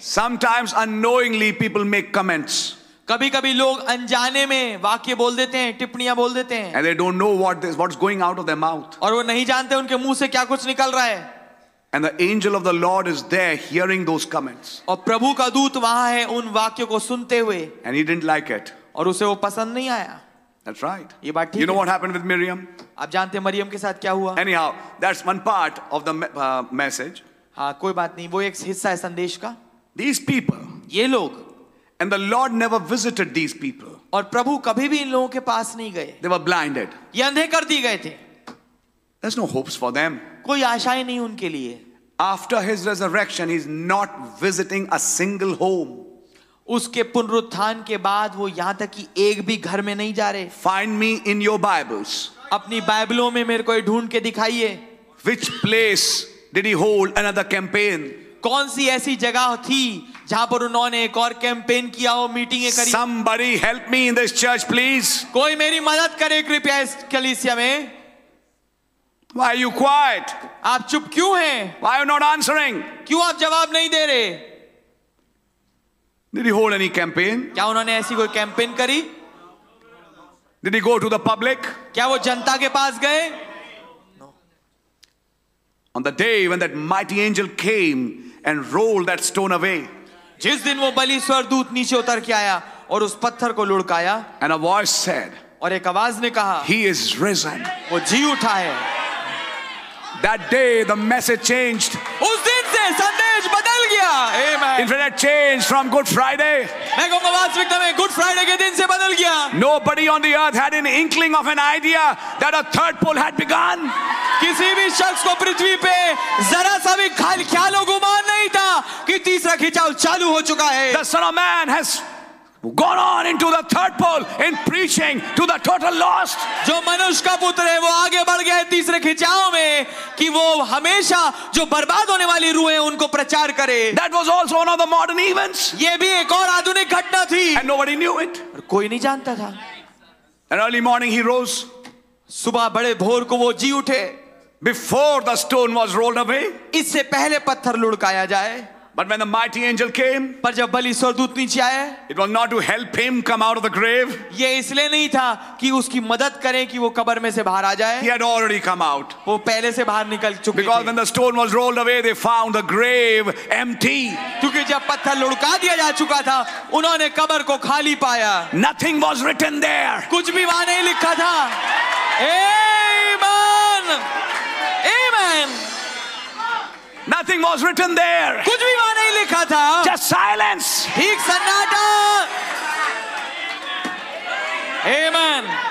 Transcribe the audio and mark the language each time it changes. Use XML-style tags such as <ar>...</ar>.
<en>Sometimes unknowingly people make comments.</en> <hi>कभी कभी लोग अनजाने में वाक्य बोल देते हैं, टिप्पणियां बोल देते हैं.</hi> <en>And they don't know what's going out of their mouth.</en> <hi>और वो नहीं जानते उनके मुंह से क्या कुछ निकल रहा है.</hi> <en>And the angel of the Lord is there hearing those comments.</en> <hi>और प्रभु का दूत वहां है उन वाक्यों को सुनते हुए.</hi> <en>And he didn't like it.</en> <hi>और उसे वो पसंद नहीं आया.</hi> <en>That's right. You know what happened with Miriam?</en> <hi>आप जानते हैं मरियम के साथ क्या हुआ?</hi> <en>Anyhow, that's one part of the message.</en> <hi>हाँ, कोई बात नहीं, वो एक हिस्सा है संदेश का.</hi> <en>These people.</en> <hi>ये लोग.</hi> <en>And the Lord never visited these people.</en> <hi>और प्रभु कभी भी इन लोगों के पास नहीं गए.</hi> <en>They were blinded.</en> <hi>ये अंधे कर दिए गए थे.</hi> <en>There's no hopes for them.</en> <hi>कोई आशाएं नहीं उनके लिए.</hi> <en>After his resurrection, he's not visiting a single home.</en> <hi>उसके पुनरुत्थान के बाद वो यहां तक कि एक भी घर में नहीं जा रहे.</hi> <en>Find me in your Bibles.</en> <hi>अपनी बाइबलों में मेरे को ये ढूंढ के दिखाइए.</hi> <en>Which place did he hold another campaign?</en> <hi>कौन सी ऐसी जगह थी जहां पर उन्होंने एक और कैंपेन किया हो, मीटिंगें करी?</hi> <en>Somebody help me in this church, please.</en> <hi>कोई मेरी मदद करे कृपया इस कलीसिया में.</hi> <en>Why are you quiet?</en> <hi>आप चुप क्यों हैं?</hi> <en>Why are you not answering?</en> <hi>क्यों आप जवाब नहीं दे रहे?</hi> <en>Did he hold any campaign?</en> <hi>क्या उन्होंने ऐसी कोई कैंपेन करी?</hi> <en>Did he go to the public?</en> <hi>क्या वो जनता के पास गए?</hi> <en>No. On the day when that mighty angel came and rolled that stone away.</en> <hi>जिस दिन वो बलि स्वर दूत नीचे उतर के आया और उस पत्थर को लुढ़काया.</hi> <en>And a voice said.</en> <hi>और एक आवाज ने कहा.</hi> <en>He is risen.</en> <hi>वो जी उठा है.</hi> <en>That day the message changed.</en> <hi>उस दिन से संदेश बदल गया. Amen.</hi> <en>In fact, it changed from Good Friday.</en> <hi>मैं कहूँगा वास्तविक में Good Friday के दिन से बदल गया.</hi> <en>Nobody on the earth had an inkling of an idea that a third pole had begun.</en> <hi>किसी भी शख्स को पृथ्वी पे जरा सा भी ख्याल गुमान नहीं था कि तीसरा खिंचाव चालू हो चुका है.</hi> <en>The Son of Man has gone on into the third pole in preaching to the total lost.</en> <hi>जो मनुष्य का पुत्र है वो आगे बढ़ गया है तीसरे खिंचाव में कि वो हमेशा जो बर्बाद होने वाली रूह है उनको प्रचार करे.</hi> <en>That was also one of the modern events.</en> <hi>ये भी एक और आधुनिक घटना थी.</hi> <en>And nobody knew it.</en> <hi>और कोई नहीं जानता था.</hi> <en>And early morning he rose.</en> <hi>सुबह बड़े भोर को वो जी उठे.</hi> <en>Before the stone was rolled away.</en> <hi>इससे पहले पत्थर लुढ़काया जाए.</hi> <en>But when the mighty angel came,</en> <hi>पर जब बलि स्वर दूत नीचे आए,</hi> <en>it was not to help him come out of the grave.</en> <hi>ये इसलिए नहीं था कि उसकी मदद करें कि वो कब्र में से बाहर आ जाए.</hi> <en>He had already come out.</en> <hi>वो पहले से बाहर निकल चुके थे.</hi> <en>Because when the stone was rolled away, they found the grave empty.</en> <hi>क्योंकि जब पत्थर लुढ़का दिया जा चुका था, उन्होंने कब्र को खाली पाया.</hi> <en>Nothing was written there.</en> <hi>कुछ भी वहाँ नहीं लिखा था. Amen. Amen.</hi> <en>Nothing was written there.</en> <hi>कुछ भी वहाँ नहीं लिखा था.</hi> <en>Just silence.</en> <hi>ठीक सन्नाटा. Amen.</hi>